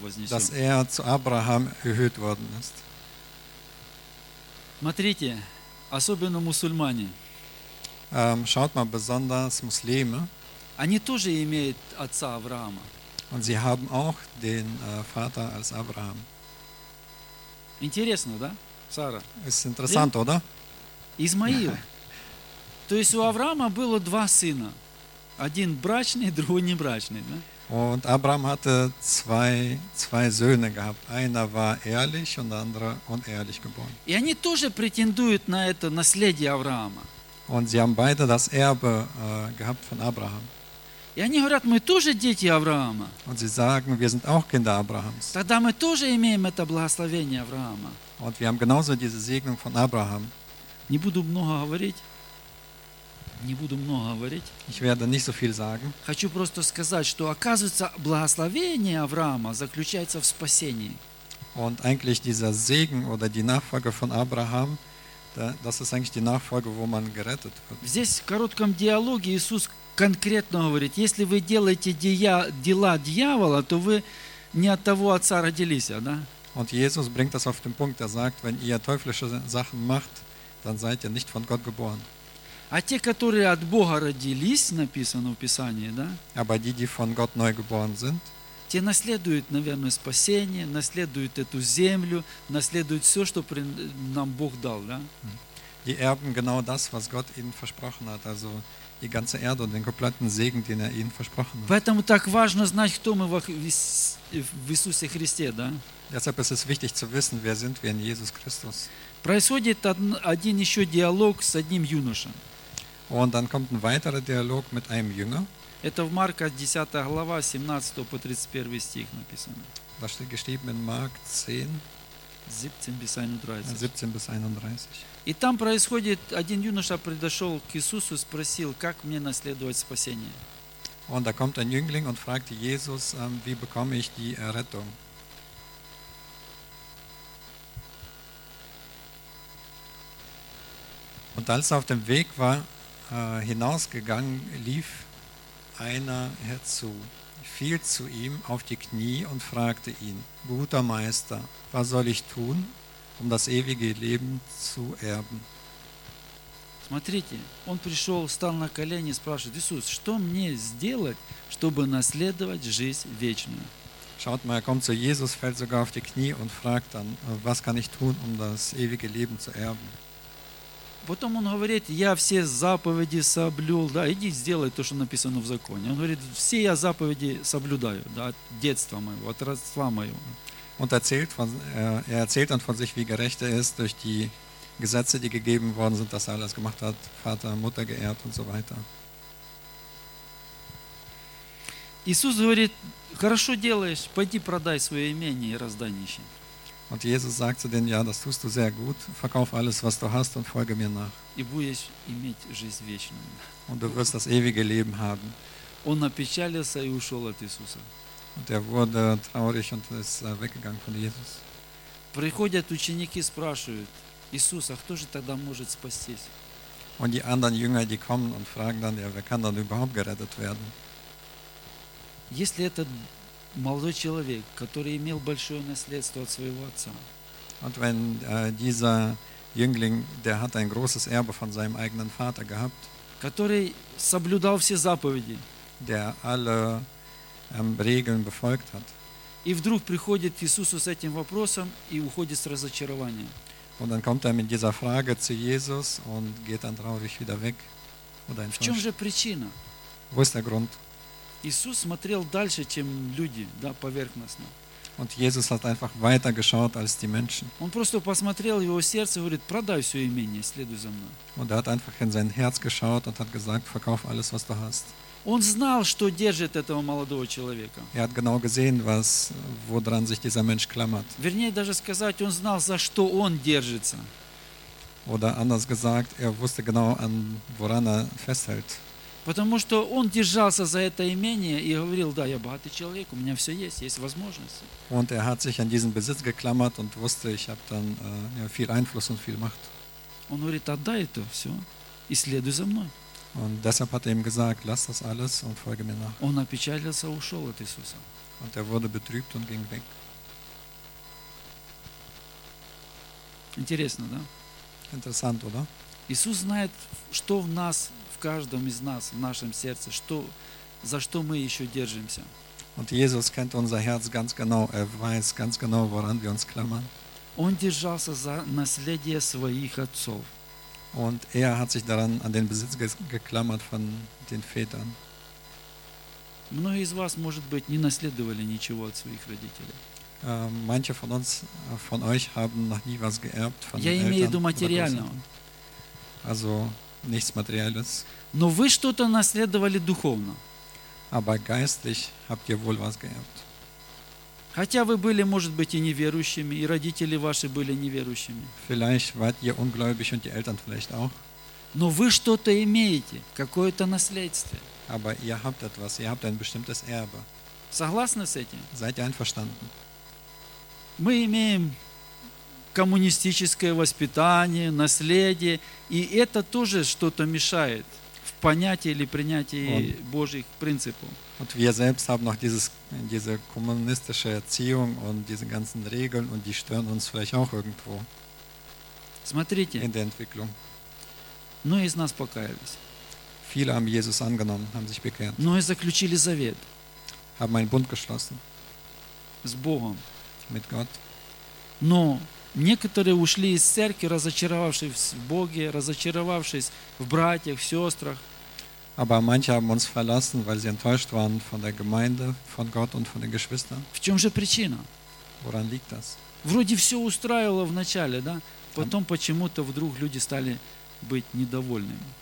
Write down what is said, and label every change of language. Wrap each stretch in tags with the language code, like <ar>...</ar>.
<de>dass er zu Abraham erhöht worden ist.</de> <ru>Смотрите, особенно мусульмане.</ru> <de>Schaut mal, besonders Muslime.</de> <ru>Они тоже имеют отца Авраама.</ru> <de>Und sie haben auch den Vater als Abraham.</de> <ru>Интересно, да, Сара?</ru> <de>Ist interessant, oder?</de> <ru>Исмаил. То есть у Авраама было два сына. Один брачный, другой небрачный, да?</ru> <de>Und Abraham hatte zwei Söhne gehabt. Einer war ehrlich und der andere unehrlich geboren.</de> <ru>И они тоже претендуют на это наследие Авраама.</ru> <de>Und sie haben beide das Erbe gehabt von Abraham.</de> <ru>И они говорят, мы тоже дети Авраама.</ru> <de>Und sie sagen, wir sind auch Kinder Abrahams.</de> <ru>Тогда мы тоже имеем это благословение Авраама.</ru> <de>Und wir haben genauso diese Segnung von Abraham.</de> <ru>Не буду много говорить. Не буду много говорить.</ru> <de>Ich werde nicht so viel sagen.</de> <ru>Хочу просто сказать, что оказывается благословение Авраама заключается в спасении.</ru> <de>Und eigentlich dieser Segen oder die Nachfolge von Abraham, das ist eigentlich die Nachfolge, wo man gerettet wird.</de> <ru>Здесь в коротком диалоге Иисус конкретно говорит: если вы делаете дела дьявола, то вы не от того отца родились, да?</ru> <de>Und Jesus bringt das auf den Punkt. Er sagt, wenn ihr teuflische Sachen macht, dann seid ihr nicht von Gott geboren.</de> <ru>А те, которые от Бога родились, написано в Писании, да?</ru> <de>Aber die von Gott neu geboren sind,</de> <ru>те наследуют, наверное, спасение, наследуют эту землю, наследуют все, что нам Бог дал, да?</ru> <de>Die erben genau das, was Gott ihnen versprochen hat, also die ganze Erde und den kompletten Segen, den er ihnen versprochen hat.</de> <ru>Поэтому так важно знать, кто мы в Иисусе Христе, да?</ru> <de>Deshalb ist es wichtig zu wissen, wer sind wir in Jesus Christus.</de> <ru>Происходит один еще диалог с одним юношем.</ru> <de>Und dann kommt ein weiterer Dialog mit einem Jünger.</de> <ru>Это в Марка 10 глава 17 по 31 стих написано.</ru> <de>Das steht geschrieben in Mark 10, 17 bis 31. 17 bis 31.</de> <ru>И там происходит, один юноша подошел к Иисусу, спросил, как мне наследовать спасение.</ru> <de>Und da kommt ein Jüngling und fragt Jesus, wie bekomme ich die Errettung? Und als er auf dem Weg war, hinausgegangen, lief einer herzu, fiel zu ihm auf die Knie und fragte ihn: Guter Meister, was soll ich tun, um das ewige Leben zu erben?</de> <ru>Смотрите, он пришел, встал на колени и спрашивает: Иисус, что мне сделать, чтобы наследовать жизнь вечную?</ru> <de>Schaut mal, er kommt zu Jesus, fällt sogar auf die Knie und fragt dann: Was kann ich tun, um das ewige Leben zu erben?</de> <ru>Потом он говорит: я все заповеди соблюл, да, иди сделай то, что написано в законе. Он говорит: все я заповеди соблюдаю, да, от детства моего, от родства моего.</ru> <de>Und erzählt dann von sich, wie gerecht er ist durch die Gesetze, die gegeben worden sind, dass er alles gemacht hat, Vater, Mutter geehrt und so weiter.</de> <ru>Иисус говорит: хорошо делаешь, пойди продай свое имение и раздай нищим.</ru> <de>Und Jesus sagt zu denen: Ja, das tust du sehr gut. Verkauf alles, was du hast, und folge mir nach.</de> <ru>И будешь иметь жизнь вечную.</ru> <de>Und du wirst das ewige Leben haben.</de> <ru>Он опечалился и ушел от Иисуса.</ru> <de>Und er wurde traurig und ist weggegangen von Jesus.</de> <ru>Приходят ученики, спрашивают: Иисус, а кто же тогда может спастись?</ru> <de>Und die anderen Jünger, die kommen und fragen dann: Ja, wer kann dann überhaupt gerettet werden?</de> <ru>Если это молодой человек, который имел большое наследство от своего отца.</ru> <de>Und wenn dieser Jüngling, der hat ein großes Erbe von seinem eigenen Vater gehabt,</de> <ru>который соблюдал все заповеди,</ru> <de>der alle Regeln befolgt hat.</de> <ru>И вдруг приходит Иисусу с этим вопросом и уходит с разочарованием.</ru> <de>Und dann kommt mit dieser Frage zu Jesus und geht dann traurig wieder weg. Oder enttäuscht.</de> <ru>В чем же причина?</ru> <de>Wo ist der Grund?</de> <ru>Иисус смотрел дальше, чем люди, да, поверхностно.</ru> <de>Und Jesus hat einfach weiter geschaut als die Menschen.</de> <ru>Он просто посмотрел его сердце и говорит: продай все имение, следуй за мной.</ru> <de>Und hat einfach in sein Herz geschaut und hat gesagt: Verkauf alles, was du hast.</de> <ru>Он знал, что держит этого молодого человека.</ru> <de>Er hat genau gesehen, was, woran sich dieser Mensch klammert.</de> <ru>Вернее даже сказать, он знал, за что он держится.</ru> <de>Oder anders gesagt, er wusste genau, an woran er festhält.</de> <ru>Потому что он держался за это имение и говорил: да, я богатый человек, у меня все есть, есть возможности.</ru> <de>Und er hat sich an diesen Besitz geklammert und wusste, ich habe dann viel Einfluss und viel Macht.</de> <ru>Он говорит: отдай это все и следуй за мной.</ru> <de>Und deshalb hat ihm gesagt, lass das alles und folge mir nach.</de> <ru>Он опечалился, ушел от Иисуса.</ru> <de>Und wurde betrübt und ging weg.</de> <ru>Интересно, да?</ru> <de>Interessant, oder?</de> <ru>Иисус знает, что в нас, в каждом из нас, в нашем сердце, что, за что мы еще держимся.</ru> <de>Und Jesus kennt unser Herz ganz genau. Weiß ganz genau, woran wir uns klammern.</de> <ru>Он держался за наследие своих отцов.</ru> <de>Und hat sich daran an den Besitz geklammert von den Vätern.</de> <ru>Многие из вас, может быть, не наследовали ничего от своих родителей.</ru> <de>Manche von uns, von euch, haben noch nie was geerbt von</de> <ru>Я имею в виду материального.</ru> <de>Also nichts Materielles.</de> <ru>Но вы что-то наследовали духовно.</ru> <de>Aber geistlich habt ihr wohl was geerbt.</de> <ru>Хотя вы были, может быть, и неверующими, и родители ваши были неверующими.</ru> <de>Vielleicht wart ihr ungläubig und die Eltern vielleicht auch.</de> <ru>Но вы что-то имеете, какое-то наследствие.</ru> <de>Aber ihr habt etwas, ihr habt ein bestimmtes Erbe.</de> <ru>Согласны с этим?</ru> <de>Seid ihr einverstanden?</de> <ru>Мы имеем коммунистическое воспитание, наследие, и это тоже что-то мешает в понятии или принятии Божьих принципов.</ru> <de>Und wir selbst haben noch diese kommunistische Erziehung und diese ganzen Regeln und die stören uns vielleicht auch irgendwo.</de> <ru>Смотрите.</ru> <de>In der Entwicklung.</de> <ru>Но из нас покаялись.</ru> <de>Viele haben Jesus angenommen, haben sich bekehrt.</de> <ru>Но и заключили завет.</ru> <de>Haben einen Bund geschlossen.</de> <ru>С Богом.</ru> <de>Mit Gott.</de> <ru>Но некоторые ушли из церкви, разочаровавшись в Боге, разочаровавшись в братьях, в сестрах.</ru> <de>Aber manche haben uns verlassen, weil sie enttäuscht waren von der Gemeinde, von Gott und von den Geschwistern.</de> <ru>В чем же причина?</ru> <de>Woran liegt das?</de> <ru>Вроде все устраивало вначале, да? Потом почему-то вдруг люди стали быть недовольными.</ru>